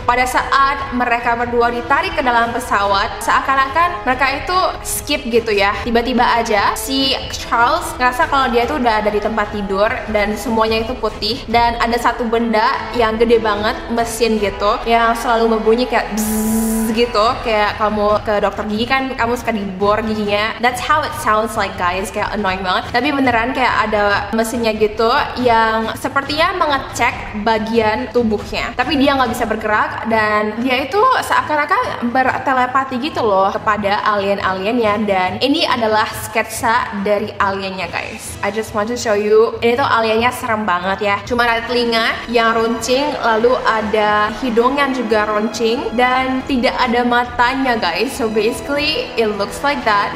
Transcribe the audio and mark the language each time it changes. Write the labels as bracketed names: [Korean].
[Indonesian] Pada saat mereka berdua ditarik ke dalam pesawat, seakan-akan mereka itu skip gitu ya. Tiba-tiba aja si Charles ngerasa kalau dia itu udah ada di tempat tidur dan semuanya itu putih. Dan ada satu benda yang gede banget, mesin gitu, yang selalu berbunyi kayak bzzz gitu. Kayak kamu ke dokter gigi kan, kamu suka dibor giginya. [English] That's how it sounds like guys, [Indonesian] kayak annoying banget. Tapi beneran kayak ada mesinnya gitu yang sepertinya mengecek bagian tubuhnya. Tapi dia nggak bisa bergerak dan dia itu seakan-akan bertelepati gitu loh kepada alien-aliennya. Dan ini adalah sketsa dari aliennya, guys. [English] I just want to show you. [Indonesian] Ini tuh aliennya serem banget ya. Cuma ada telinga yang runcing, lalu ada hidung yang juga runcing, dan tidak ada matanya, guys. [English] So basically it looks like that.